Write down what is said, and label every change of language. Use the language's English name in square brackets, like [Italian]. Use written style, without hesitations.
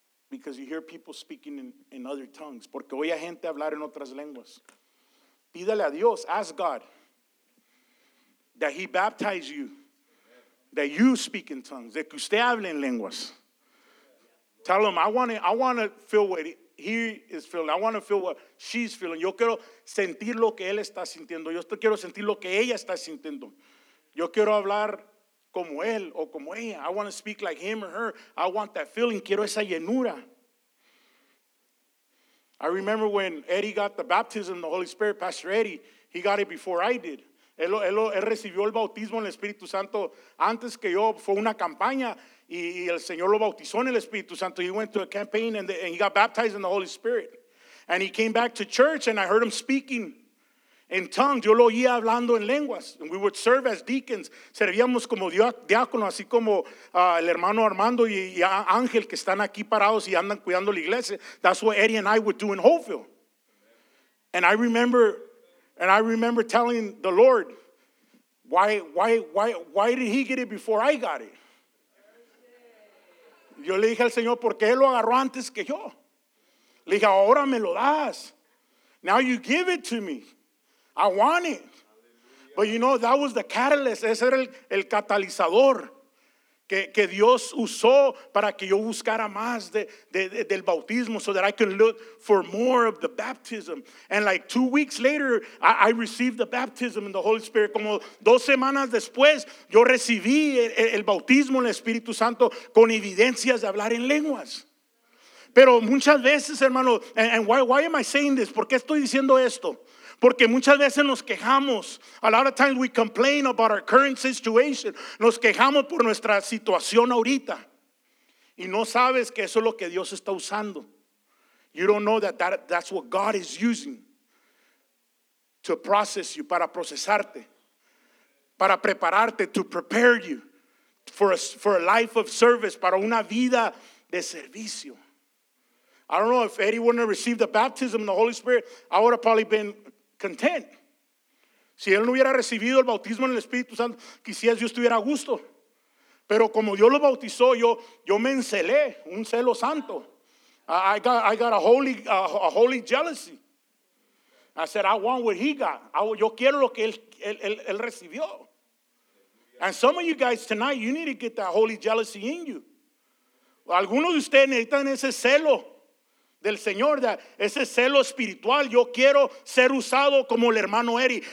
[English] Because you hear people speaking in other tongues. [Spanish] Porque oye a gente hablar en otras lenguas. Pídale a Dios, [English] ask God, that he baptize you. That you speak in tongues. [Spanish] De que usted hable en lenguas. [English] Tell him, I want to feel what he is feeling. I want to feel what she's feeling. [Spanish] Yo quiero sentir lo que él está sintiendo. Yo quiero sentir lo que ella está sintiendo. Yo quiero hablar como él o como ella. [English] I want to speak like him or her. I want that feeling. [Spanish] Quiero esa llenura. [English] I remember when Eddie got the baptism, the Holy Spirit, Pastor Eddie, he got it before I did. [Spanish] Él recibió el bautismo en el Espíritu Santo antes que yo. Fue una campaña y el Señor lo bautizó en el Espíritu Santo. [English] He went to a campaign and he got baptized in the Holy Spirit. And he came back to church and I heard him speaking in tongues. [Spanish] Yo lo oía hablando en lenguas. [English] And we would serve as deacons. [Spanish] Servíamos como diácono, así como el hermano Armando y Ángel que están aquí parados y andan cuidando la iglesia. [English] That's what Eddie and I would do in Hopeville. And I remember telling the Lord, why did he get it before I got it? [Spanish] Yo le dije al Señor, ¿por qué lo agarró antes que yo? Le dije, ahora me lo das. [English] Now you give it to me. I want it. But you know, that was the catalyst. [Spanish] Ese era el catalizador. que Dios usó para que yo buscara más del bautismo, [English] so that I could look for more of the baptism. And like 2 weeks later, I received the baptism in the Holy Spirit. [Spanish] Como dos semanas después, yo recibí el bautismo en el Espíritu Santo con evidencias de hablar en lenguas. Pero muchas veces, hermano, [English] and why am I saying this? [Spanish] ¿Por qué estoy diciendo esto? Porque muchas veces nos quejamos. [English] A lot of times we complain about our current situation. [Spanish] Nos quejamos por nuestra situación ahorita. Y no sabes que eso es lo que Dios está usando. [English] You don't know that's what God is using to process you, [Spanish] para procesarte, para prepararte, [English] to prepare you for a life of service, [Spanish] para una vida de servicio. [English] I don't know if anyone received the baptism of the Holy Spirit, I would have probably been content. [Spanish] Si él no hubiera recibido el bautismo en el Espíritu Santo, quizás yo estuviera a gusto. Pero como Dios lo bautizó, yo me encelé, un celo santo. [English] I got a holy jealousy. I said, I want what he got. [Spanish] Yo quiero lo que él recibió. [English] And some of you guys tonight, you need to get that holy jealousy in you. [Spanish] Algunos de ustedes necesitan ese celo del Señor, ese celo espiritual. Yo quiero ser usado como el hermano Eddie.